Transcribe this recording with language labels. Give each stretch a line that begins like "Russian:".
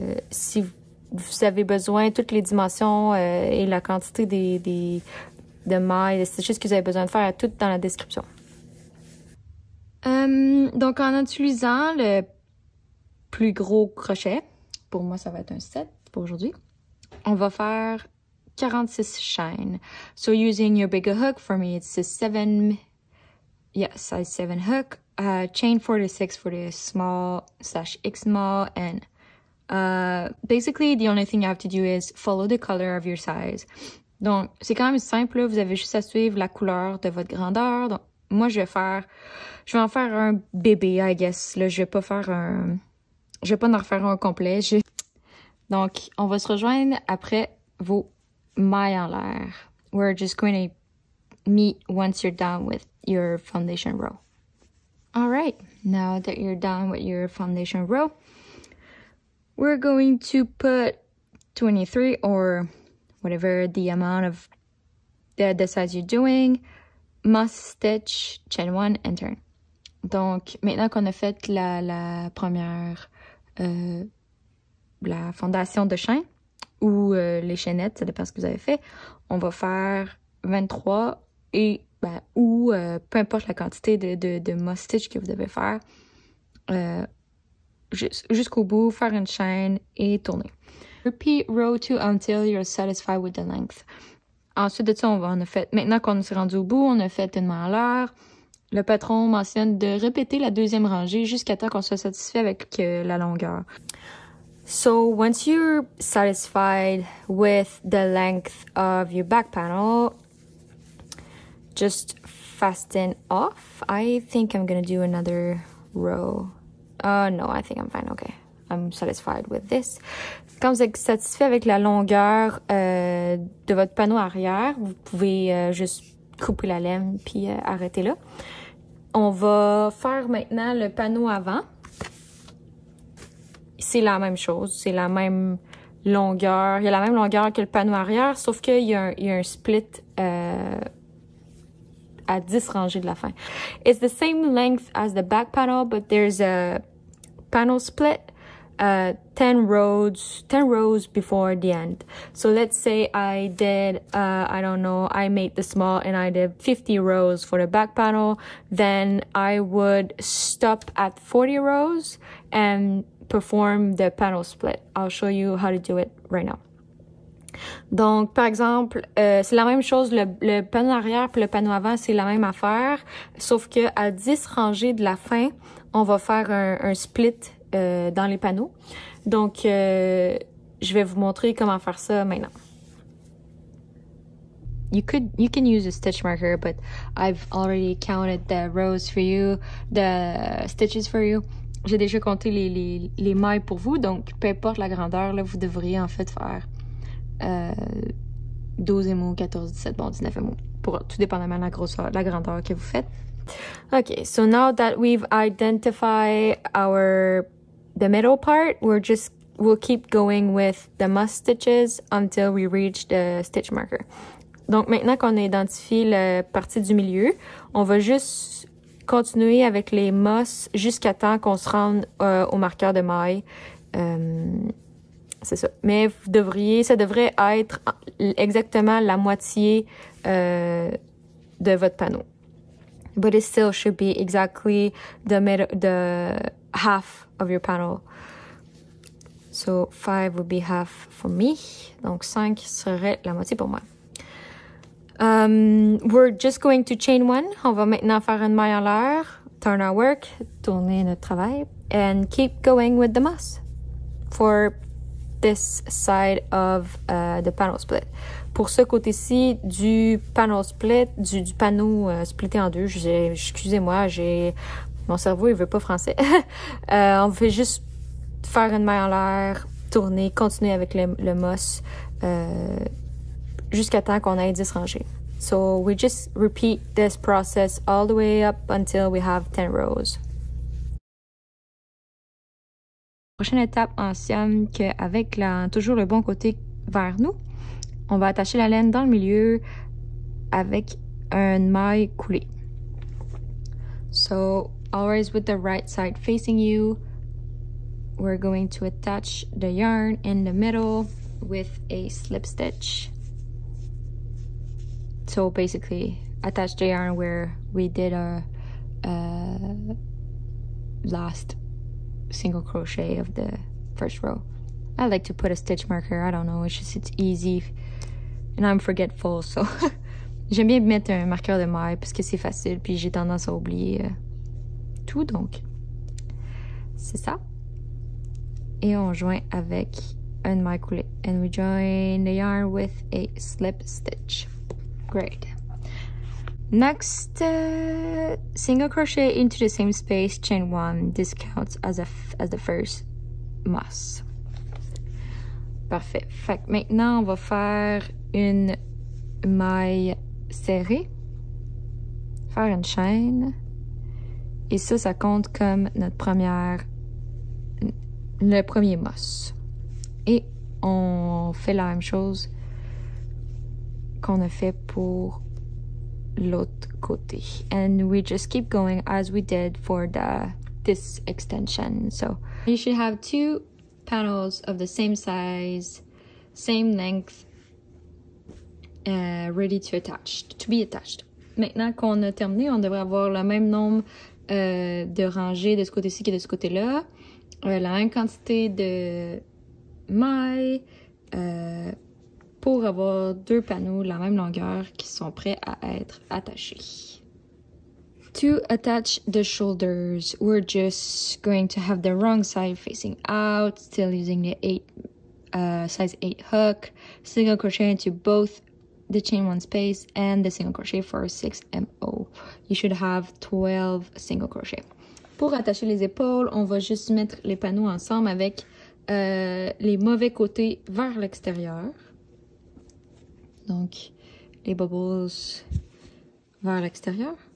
French: Si vous avez besoin, toutes les dimensions et la quantité de mailles, c'est juste ce que vous avez besoin de faire, tout dans la description. Donc, en utilisant le plus gros crochet, pour moi, ça va être un 7 pour aujourd'hui. On va faire 46 chaînes.
English: So using your bigger hook, for me it's a 7, yeah, size 7 hook. Chain 46 for the small slash X small. And basically the only thing you have to do is follow the color of your size.
French: Donc c'est quand même simple, vous avez juste à suivre la couleur de votre grandeur. Donc moi je vais en faire un bébé,
English: I guess.
French: Là je vais pas faire un, je vais pas en refaire un complet. Donc, on va se rejoindre après vos mailles en l'air.
English: We're just going to meet once you're done with your foundation row. All right, now that you're done with your foundation row, we're going to put 23 or whatever the amount of the size you're doing, must stitch, chain one, and turn.
French: Donc, maintenant qu'on a fait la première... la fondation de chaîne ou les chaînettes, ça dépend ce que vous avez fait. On va faire 23 et ben, ou peu importe la quantité de must stitch que vous devez faire jusqu'au bout, faire une chaîne et tourner.
English: Repeat row 2 until you're satisfied with the length.
French: Ensuite de ça, maintenant qu'on s'est rendu au bout, on a fait une maille à l'heure. Le patron mentionne de répéter la deuxième rangée jusqu'à temps qu'on soit satisfait avec la longueur.
English: So once you're satisfied with the length of your back panel, just fasten off. I think I'm gonna do another row. No, I think I'm fine. Okay, I'm satisfied with this.
French: Quand vous êtes satisfait avec la longueur de votre panneau arrière, vous pouvez juste couper la laine puis arrêter là. On va faire maintenant le panneau avant. C'est la même chose, c'est la même longueur. Il y a la même longueur que le panneau arrière, sauf qu'il y a un split à 10 rangées de la fin.
English: It's the same length as the back panel, but there's a panel split 10 rows before the end. So let's say I did, I don't know, I made the small and I did 50 rows for the back panel. Then I would stop at 40 rows and perform the panel split. I'll show you how to do it right now.
French: Donc, par exemple, c'est la même chose, le panneau arrière puis le panneau avant, c'est la même affaire, sauf que à 10 rangées de la fin, on va faire un split dans les panneaux. Donc, je vais vous montrer comment faire ça maintenant.
English: You can use a stitch marker, but I've already counted the rows for you, the stitches for you.
French: J'ai déjà compté les mailles pour vous, donc peu importe la grandeur, là, vous devriez en fait faire 12 mots, 14, 17, bon, 19 mots, pour tout dépendamment de la grandeur que vous faites.
English: OK, so now that we've identified the middle part, we'll keep going with the must stitches until we reach the stitch marker.
French: Donc maintenant qu'on a identifié la partie du milieu, on va juste continuer avec les mos jusqu'à temps qu'on se rende au marqueur de maille. C'est ça. Mais ça devrait être exactement la moitié de votre panneau.
English: But it still should be exactly the half of your panel. So 5 would be half for me.
French: Donc 5 serait la moitié pour moi.
English: We're just going to chain one.
French: On va maintenant faire une maille en l'air.
English: Turn our work.
French: Tourner notre travail.
English: And keep going with the moss for this side of the panel split.
French: Pour ce côté-ci du panel split, du panneau splitté en deux, excusez-moi, j'ai Mon cerveau, il veut pas français. on fait juste faire une main en l'air, tourner, continuer avec le mos jusqu'à temps qu'on ait 10 rangées.
English: So we just repeat this process all the way up until we have 10 rows.
French: Prochaine étape en siam, qu'avec toujours le bon côté vers nous, on va attacher la laine dans le milieu avec une maille coulée.
English: So always with the right side facing you, we're going to attach the yarn in the middle with a slip stitch. So basically attach the yarn where we did our last single crochet of the first row. I like to put a stitch marker, I don't know, it's just it's easy and I'm forgetful, so
French: j'aime bien mettre un marqueur de maille parce que c'est facile puis j'ai tendance à oublier tout, donc c'est ça. Et on joint avec une maille coulée
English: and we join the yarn with a slip stitch. Great. Next, single crochet into the same space, chain one. This counts as the first mas.
French: Parfait. Fait que maintenant, on va faire une maille serrée. Faire une chaîne. Et ça, ça compte comme notre première, le premier mas. Et on fait la même chose qu'on a fait pour l'autre côté.
English: And we just keep going as we did for the this extension. So you should have two panels of the same size, same length, ready to attach, to be attached.
French: Maintenant qu'on a terminé, on devrait avoir le même nombre de rangées de ce côté-ci que de ce côté-là, la même quantité de mailles. Pour avoir deux panneaux de la même longueur qui sont prêts à être attachés.
English: To attach the shoulders, we're just going to have the wrong side facing out, still using the size 8 hook, single crochet into both the chain 1 space and the single crochet for 6 MO. You should have 12 single crochet.
French: Pour attacher les épaules, on va juste mettre les panneaux ensemble avec les mauvais côtés vers l'extérieur. Donc, les bubbles vers l'extérieur.